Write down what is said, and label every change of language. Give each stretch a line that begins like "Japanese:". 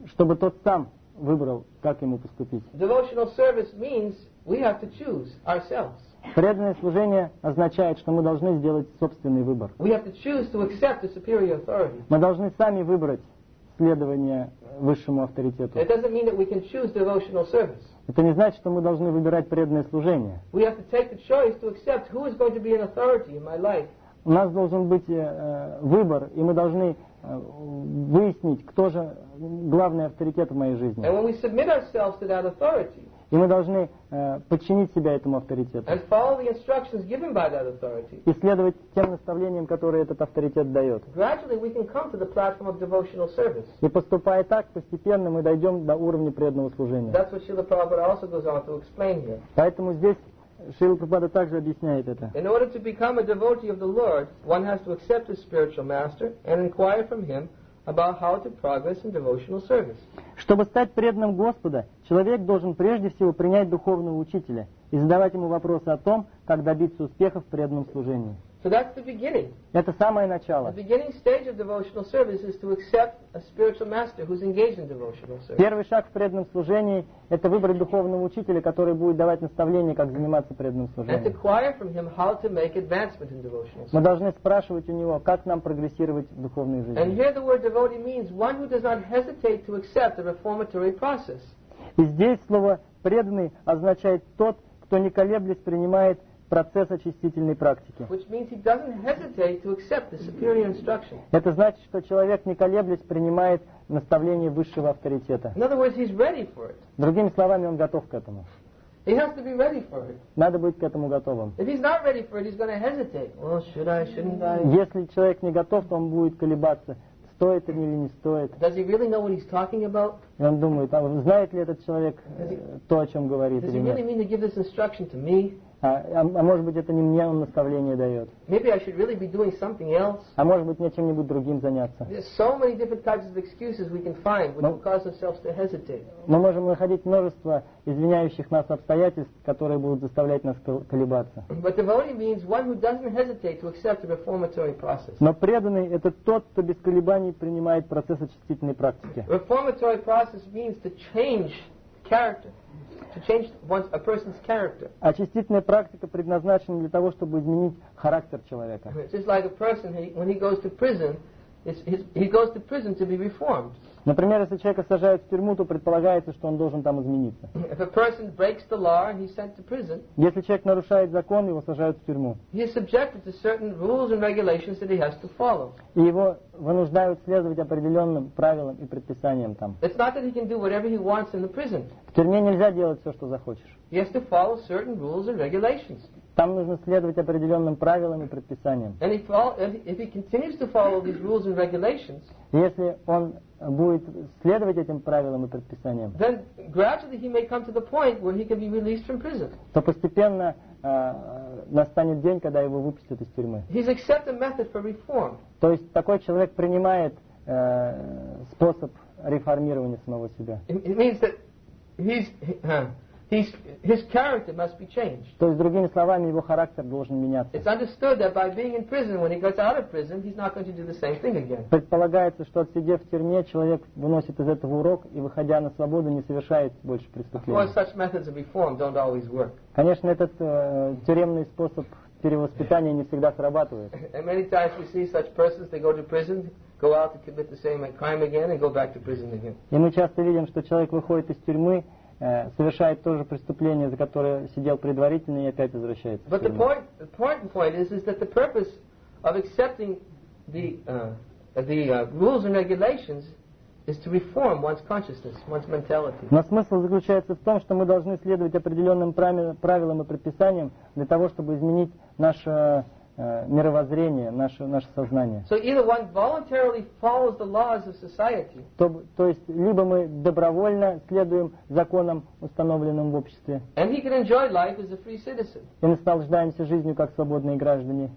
Russian: Чтобы тот сам выбрал, как ему поступить.
English: Devotional service means we have to choose ourselves.
Russian: Преданное служение означает, что мы должны сделать собственный выбор.
English: We have to choose to accept the superior authority.
Russian: Мы должны сами выбрать следование высшему авторитету.
English: It doesn't mean that we can choose devotional service.
Russian: Это не значит, что мы должны выбирать преданное служение.
English: We have to take the choice to accept who is going to be an authority in my life.
Russian: У нас должен быть выбор, и мы должны выяснить, кто же главный авторитет в моей жизни.
English: And when we submit ourselves to that authority,
Russian: и мы должны подчинить себя этому авторитету.
English: And follow the instructions given by that authority,
Russian: и следовать тем наставлениям, которые этот авторитет дает.
English: Gradually we can come to the platform of devotional service.
Russian: И поступая так, постепенно мы дойдем до уровня преданного служения.
English: That's what Srila Prabhupada also goes on to explain here.
Russian: Поэтому здесь Шрила Прабхупада также объясняет это.
English: In order to become a devotee of the Lord, one has to accept his spiritual master and inquire from him about how to progress in devotional service.
Russian: Чтобы стать преданным Господа, человек должен прежде всего принять духовного учителя и задавать ему вопросы о том, как добиться успеха в преданном служении.
English: So that's the beginning.
Russian: Это самое начало.
English: The beginning stage of devotional service is to accept a spiritual master who's engaged in devotional service.
Russian: Первый шаг в преданном служении – это выбрать духовного учителя, который будет давать наставления, как заниматься преданным служением.
English: And to inquire from him how to make advancement in devotional service.
Russian: Мы должны спрашивать у него, как нам прогрессировать в духовной жизни.
English: And here the word devotee means one who does not hesitate to accept the reformatory process.
Russian: И здесь слово «преданный» означает тот, кто не колеблясь принимает процесс очистительной практики.
English: Which means he doesn't hesitate to accept the superior instruction.
Russian: Это значит, что человек, не колеблясь, принимает наставление высшего авторитета.
English: In other words, he's ready for it.
Russian: Другими словами, он готов к этому.
English: He has to be ready for it.
Russian: Надо быть к этому готовым.
English: If he's not ready for it, he's going to hesitate. Well, should I, shouldn't I?
Russian: Если человек не готов, то он будет колебаться. Стоит или не стоит.
English: Does he really know what he's talking about?
Russian: И он думает, а знает ли этот человек то, о чем говорит или нет.
English: Does he really mean to give this instruction to me?
Russian: А может быть, это не мне он наставление дает.
English: Maybe I should really be doing something else.
Russian: А может быть, мне чем-нибудь другим заняться.
English: There's so many different types of excuses we can find which will cause ourselves to hesitate.
Russian: Мы можем находить множество извиняющих нас обстоятельств, которые будут заставлять нас колебаться.
English: But devotee means one who doesn't hesitate to accept the reformatory process.
Russian: Но преданный – это тот, кто без колебаний принимает процесс очистительной практики.
English: Reformatory process means to change character, to change one's, a person's character.
Russian: Очистительная практика предназначена для того, чтобы изменить характер человека.
English: It's just like a person, when he goes to prison, he goes to prison to be reformed.
Russian: Например, если человека сажают в тюрьму, то предполагается, что он должен там измениться.
English: If a person breaks the law, he's sent to prison.
Russian: Если человек нарушает закон, его сажают в тюрьму.
English: He is subjected to certain rules and regulations that he has to follow.
Russian: И его вынуждают следовать определенным правилам и предписаниям там.
English: It's not that he can do whatever he wants in the prison.
Russian: В тюрьме нельзя делать все, что захочешь.
English: He has to follow certain rules and regulations.
Russian: Там нужно следовать определенным правилам и предписаниям.
English: And if he continues to follow these rules and regulations,
Russian: если он будет следовать этим правилам и предписаниям,
English: then gradually he may come to the point where he can be released from prison.
Russian: То постепенно настанет день, когда его выпустят из тюрьмы.
English: He's accepted a method for reform.
Russian: То есть такой человек принимает способ реформирования самого себя.
English: It means that his character must be changed.
Russian: То есть другими словами, его характер должен меняться.
English: It's understood that by being in prison, when he gets out of prison, he's not going to do the same thing again.
Russian: Предполагается, что отсидев в тюрьме, человек выносит из этого урок и, выходя на свободу, не совершает больше преступлений.
English: Of course, such methods of reform don't always work.
Russian: Конечно, этот тюремный способ перевоспитания не всегда срабатывает.
English: And many times we see such persons, they go to prison, go out to commit the same crime again, and go back to prison again.
Russian: И мы часто видим, что человек выходит из тюрьмы, совершает то же преступление, за которое сидел предварительно, и опять возвращается.
English: But the point is that the purpose of accepting the rules and regulations is to reform one's consciousness, one's mentality.
Russian: Но смысл заключается в том, что мы должны следовать определенным правилам и предписаниям для того, чтобы изменить наше мировоззрение, наше сознание.
English: So either one voluntarily follows the laws of society.
Russian: То есть либо мы добровольно следуем законам, установленным в обществе.
English: And he can enjoy life as a free citizen.
Russian: И наслаждаемся жизнью как свободные граждане.